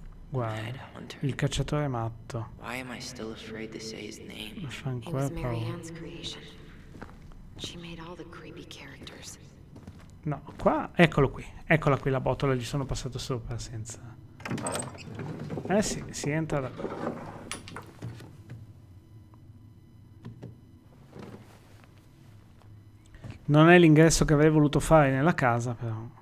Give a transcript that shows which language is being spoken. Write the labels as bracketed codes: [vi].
[it] Guarda, il cacciatore matto. [en] Why am I still afraid to say his name? [it] Ma fa ancora paura. [en] She made all the creepy characters. [it] No, qua, eccolo qui. Eccola qui la botola, gli sono passato sopra senza. Eh sì, si entra da. Non è l'ingresso che avrei voluto fare nella casa, però.